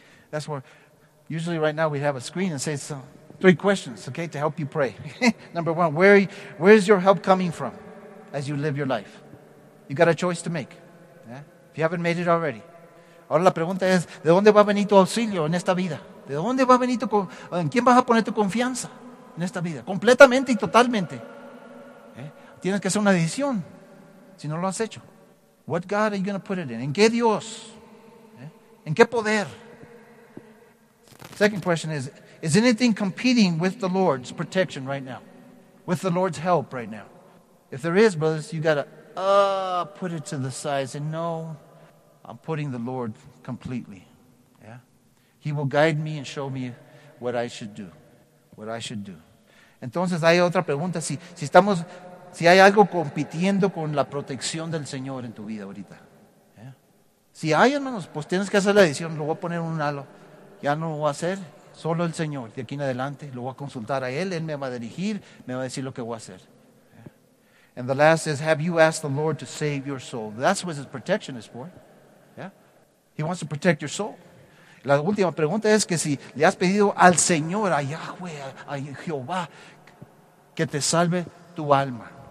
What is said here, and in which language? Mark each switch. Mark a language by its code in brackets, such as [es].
[en] That's where, usually right now we have a screen and say some, three questions, okay, to help you pray. Number one, where is your help coming from as you live your life? You got a choice to make. Yeah? If you haven't made it already. [es] Ahora la pregunta es, ¿de dónde va a venir tu auxilio en esta vida? ¿De dónde va a venir en quién vas a poner tu confianza en esta vida? Completamente y totalmente. ¿Eh? Tienes que hacer una decisión si no lo has hecho. [en] What God are you going to put it in? [es] ¿En qué Dios? ¿Eh? ¿En qué poder? [en] Second question is anything competing with the Lord's protection right now? With the Lord's help right now? If there is, brothers, you got to put it to the side. Say, no, I'm putting the Lord completely. Yeah, He will guide me and show me what I should do. What I should do. [es] Entonces, hay otra pregunta. Si hay algo compitiendo con la protección del Señor en tu vida ahorita. ¿Eh? Si hay, hermanos, pues tienes que hacer la decisión. Lo voy a poner un halo. Ya no lo voy a hacer. Solo el Señor. De aquí en adelante lo voy a consultar a Él. Él me va a dirigir, me va a decir lo que voy a hacer. [en] And the last is, have you asked the Lord to save your soul? That's what His protection is for. Yeah? He wants to protect your soul. [es] La última pregunta es que si le has pedido al Señor, a Yahweh, a Jehová, que te salve tu alma.